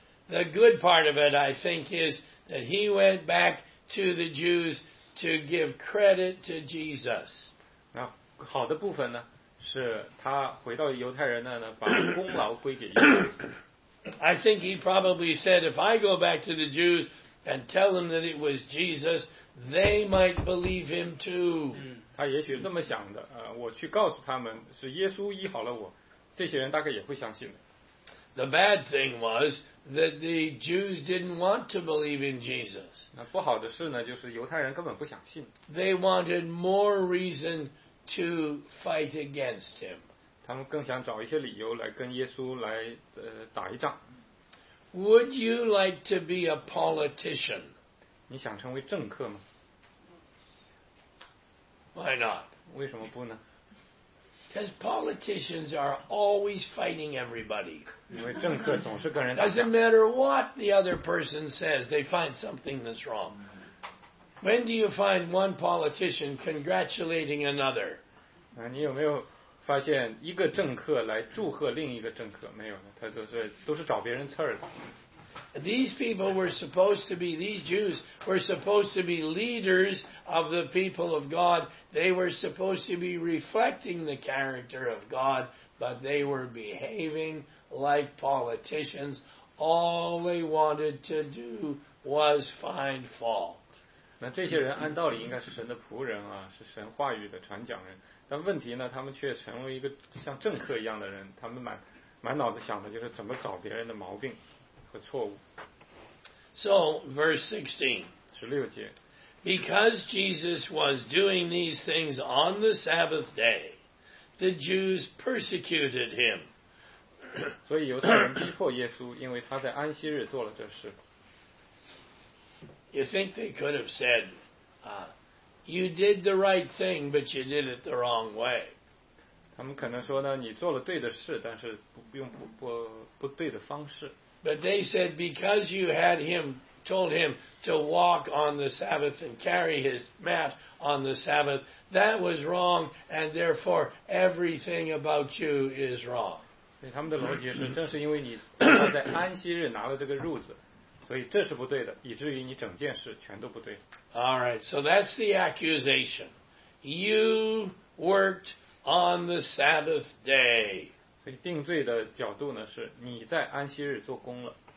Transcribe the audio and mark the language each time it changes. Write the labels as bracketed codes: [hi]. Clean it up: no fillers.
[en] The good part of it, I think, is that he went back to the Jews to give credit to Jesus. [zh] 那好的部分呢，是他回到犹太人那呢，把功劳归给耶稣。 [en] I think he probably said, if I go back to the Jews and tell them that it was Jesus,They might believe him too. [zh] 他也许这么想的，我去告诉他们是耶稣医好了我，这些人大概也会相信的。 [en] The bad thing was that the Jews didn't want to believe in Jesus. [zh] 那不好的事呢，就是犹太人根本不相信。 [en] They wanted more reason to fight against him. [zh] 他们更想找一些理由来跟耶稣来打一仗。 [en] Would you like to be a politician? [zh] 你想成为政客吗 [en] ？Why not？ [zh] 为什么不呢 [en] ？Because politicians are always fighting everybody. [zh] 因为政客总是跟人打架。 [en] Doesn't matter what the other person says, they find something that's wrong. When do you find one politician congratulating another？ [zh] 啊，你有没有发现一个政客来祝贺另一个政客？没有的，他都是找别人刺儿的。 [en] These people were supposed to be, these Jews were supposed to be leaders of the people of God. They were supposed to be reflecting the character of God, but they were behaving like politicians. All they wanted to do was find fault. [zh] 那这些人按道理应该是神的仆人啊，是神话语的传讲人。但问题呢，他们却成为一个像政客一样的人，他们满脑子想的就是怎么找别人的毛病。 [en] So, verse 16. [zh] 16节 [en] Because Jesus was doing these things on the Sabbath day, the Jews persecuted him. [zh] 所以犹太人逼迫耶稣，因为他在安息日做了这事。 [en] You think they could have said, you did the right thing, but you did it the wrong way. [zh] 他们可能说呢，你做了对的事，但是用不对的方式。 [en] But they said, because you had him, told him to walk on the Sabbath and carry his mat on the Sabbath, that was wrong, and therefore everything about you is wrong. [zh] 对，他们的逻辑是，正是因为你在安息日拿了这个褥子。所以这是不对的，以至于你整件事全都不对。 [en] All right, so that's the accusation. You worked on the Sabbath day. [zh] 所以定罪的角度呢是你在安息日做工了。